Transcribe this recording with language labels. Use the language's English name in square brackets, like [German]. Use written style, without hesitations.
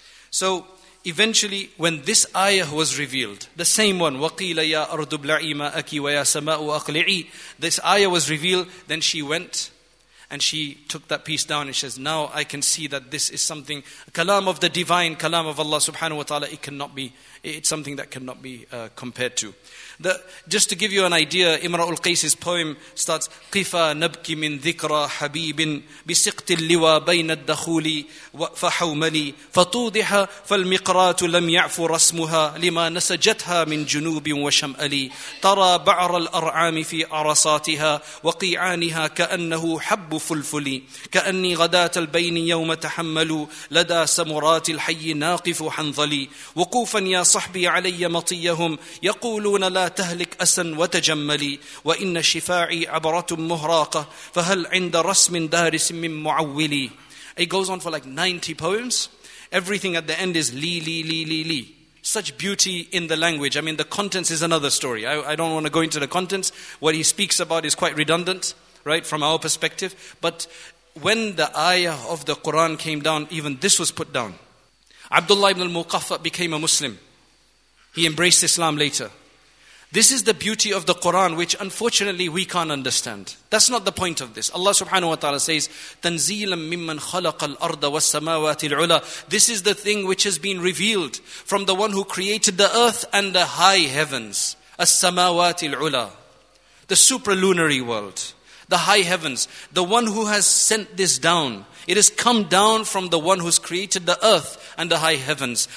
[English] So eventually, when this ayah was revealed, the same one, [Arabic] وَقِيلَ يَا أَرْضُ بْلَعِي مَاءَكِ وَيَا سَمَاءُ أَقْلِعِي, [English] this ayah was revealed, then she went And she took that piece down and says, now I can see that this is something, kalam of the divine, kalam of Allah subhanahu wa ta'ala, it's something that cannot be compared to. Just to give you an idea, Imra'ul Qais's poem starts, [Arabic] قِفَا نَبْكِ مِنْ ذِكْرَى حَبِيبٍ بِسِقْتِ اللِّوَى بَيْنَ الدَّخُولِ فَحَوْمَنِي فَطُوضِحَ فَالْمِقْرَاتُ لَمْ يَعْفُ رَسْمُهَا لِمَا نَسَجَتْهَا مِنْ جُنُوبٍ وَشَمْأَلِي تَرَى بَعْرَ الْأَرْعَامِ فِي أَرَصَاتِهَا وَقِيعَانِهَا كَأَنَّهُ حَبُّ فُلْفُلِي كَأَنِّي غَدَاةَ الْبَيْنِ يَوْمَ تَحَمَّلُ لَدَى سَمُرَاتِ الْحَيِّ نَاقِفُ حَنْظَلِي وَقُوفًا يَا صَحْبِي عَلَيَّ مَطِيَّهُمْ يَقُولُونَ لا تهلك أسا وتجملي وإن شفاعي عبرة مهراقة فهل عند رسم دارس من معولي. [English] It goes on for like 90 poems. Everything at the end is li li li li li. Such beauty in the language. I mean, the contents is another story. I don't want to go into the contents. What he speaks about is quite redundant, right, from our perspective. But when the ayah of the Quran came down, even this was put down. Abdullah ibn al-Muqaffa became a Muslim. He embraced Islam later. This is the beauty of the Quran, which unfortunately we can't understand. That's not the point of this. Allah subhanahu wa ta'ala says, [Arabic] تَنْزِيلًا مِمَّنْ خَلَقَ الْأَرْضَ وَالسَّمَاوَاتِ الْعُلَى. [English] This is the thing which has been revealed from the one who created the earth and the high heavens. [Arabic] السَّمَاوَاتِ الْعُلَى. [English] The supralunary world. The high heavens. The one who has sent this down. It has come down from the one who's created the earth and the high heavens.